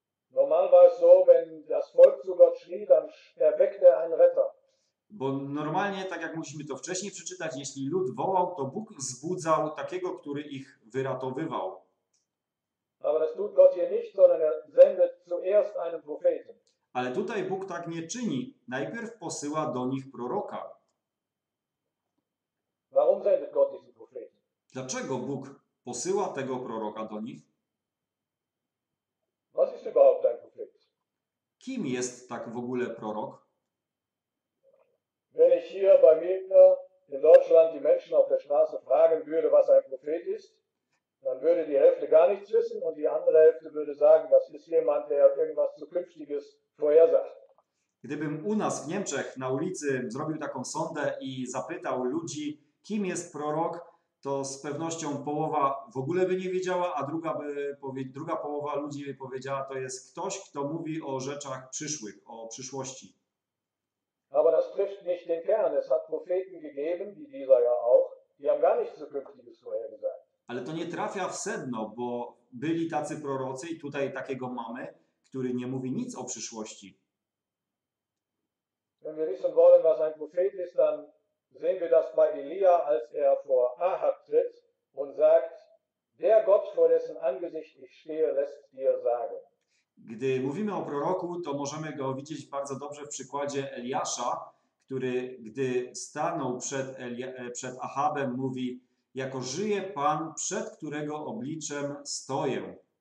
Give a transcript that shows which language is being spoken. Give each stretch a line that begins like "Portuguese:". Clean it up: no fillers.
German: Normal war es so, wenn das Volk zu Gott schrie, dann erweckte er einen Retter.
Polish: Bo normalnie, tak jak musimy to wcześniej przeczytać, jeśli lud wołał, to Bóg wzbudzał takiego, który ich wyratowywał.
German: Aber das tut Gott hier nicht, sondern er sendet zuerst einen Propheten.
Polish: Ale tutaj Bóg tak nie czyni. Najpierw posyła do nich proroka.
German: Warum sendet Gott diesen Propheten?
Polish: Dlaczego Bóg posyła tego proroka do nich?
German: Was ist überhaupt ein Prophet?
Polish: Kim jest tak w ogóle prorok?
German: Wenn ich hier bei mir in Deutschland die Menschen auf der Straße fragen würde, was ein Prophet ist, dann würde die Hälfte gar nichts wissen und die andere Hälfte würde sagen, das ist jemand, der irgendwas Zukünftiges vorhersagt.
Polish: Gdybym u nas w Niemczech na ulicy zrobił taką sondę i zapytał ludzi, kim jest prorok, to z pewnością połowa w ogóle by nie wiedziała, a druga połowa ludzi by powiedziała, to jest ktoś, kto mówi o rzeczach przyszłych, o przyszłości.
German: Aber das trifft nicht den Kern. Es hat Propheten gegeben, wie dieser ja auch, die haben gar nichts Zukünftiges vorhergesagt.
Polish: Ale to nie trafia w sedno, bo byli tacy prorocy i tutaj takiego mamy, który nie mówi nic o przyszłości.
German: Wenn wir wissen wollen, was ein Prophet ist, dann sehen wir das bei Elia, als er vor Ahab tritt und sagt, der Gott, vor dessen Angesicht ich stehe, lässt dir sagen.
Polish: Gdy mówimy o proroku, to możemy go widzieć bardzo dobrze w przykładzie Eliasza, który gdy stanął przed Ahabem, mówi, jako żyje Pan, przed którego obliczem stoję.